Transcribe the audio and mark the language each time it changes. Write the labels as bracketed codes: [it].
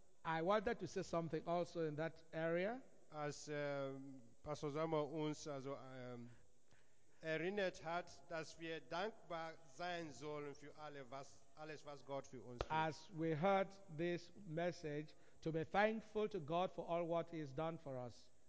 [en] I wanted to say something also in that area. [de] As Pastor Samuel uns also erinnert hat, dass wir dankbar sein sollen für alles was Gott für uns tut. [en] As we heard this message, to be thankful to God for all what He has done for us.